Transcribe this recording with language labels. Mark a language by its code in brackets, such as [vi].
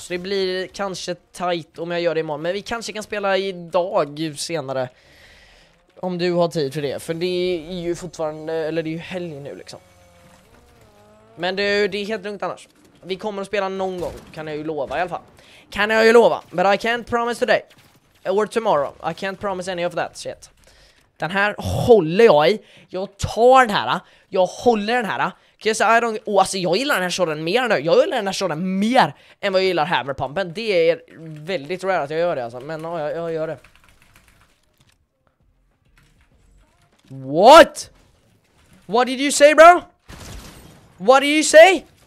[sv] Så det blir kanske tight om jag gör det imorgon. Men vi kanske kan spela idag senare. Om du har tid för det. För det är ju fortfarande, eller det är ju helg nu liksom. Men det är helt lugnt annars. Vi kommer att spela någon gång, kan jag ju lova i alla fall. Kan jag ju lova, [en] but I can't promise today. Or tomorrow, I can't promise any of that shit. [sv] Den här håller jag i. Jag tar den här. Jag håller den här. Kan jag säga, alltså jag gillar den här shoten mer nu. Jag gillar den här shoten mer än vad jag gillar hammerpumpen. Det är väldigt rare att jag gör det alltså. Men ja, jag gör det. [en] What? What did you say bro? What did you say?